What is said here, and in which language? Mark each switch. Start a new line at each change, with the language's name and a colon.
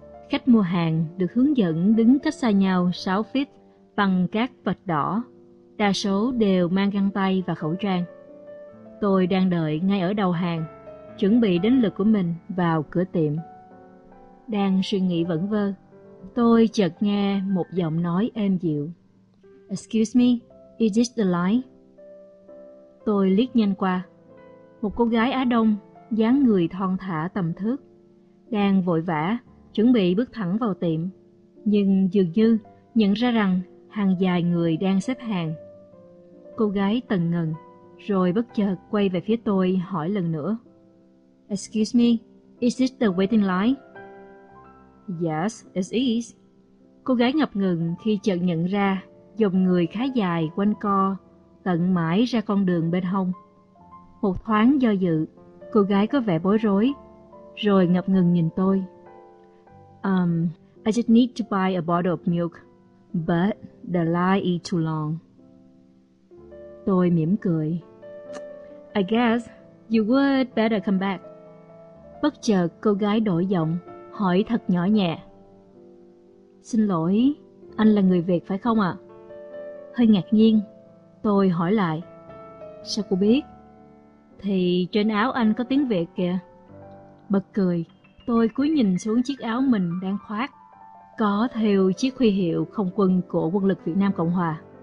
Vietnamese: Khách mua hàng được hướng dẫn đứng cách xa nhau 6 feet bằng các vạch đỏ, đa số đều mang găng tay và khẩu trang. Tôi đang đợi ngay ở đầu hàng, chuẩn bị đến lượt của mình vào cửa tiệm. Đang suy nghĩ vẩn vơ, tôi chợt nghe một giọng nói êm dịu.
English: "Excuse me, is this the line?"
Vietnamese: Tôi liếc nhanh qua. Một cô gái Á Đông, dáng người thon thả tầm thước, đang vội vã chuẩn bị bước thẳng vào tiệm, nhưng dường như nhận ra rằng hàng dài người đang xếp hàng. Cô gái tần ngần, rồi bất chợt quay về phía tôi hỏi lần nữa.
English: "Excuse me, is this the waiting line?" "Yes, it is."
Vietnamese: Cô gái ngập ngừng khi chợt nhận ra dòng người khá dài quanh co tận mãi ra con đường bên hông. Một thoáng do dự, cô gái có vẻ bối rối, rồi ngập ngừng nhìn tôi.
English: "I just need to buy a bottle of milk, but the line is too long."
Vietnamese: Tôi mỉm cười.
English: "I guess you would better come back."
Vietnamese: Bất chợt cô gái đổi giọng, hỏi thật nhỏ nhẹ. "Xin lỗi, anh là người Việt phải không ạ?" À? Hơi ngạc nhiên, tôi hỏi lại. "Sao cô biết?" "Thì trên áo anh có tiếng Việt kìa." Bật cười, tôi cúi nhìn xuống chiếc áo mình đang khoác, có thêu chiếc huy hiệu không quân của quân lực Việt Nam Cộng Hòa.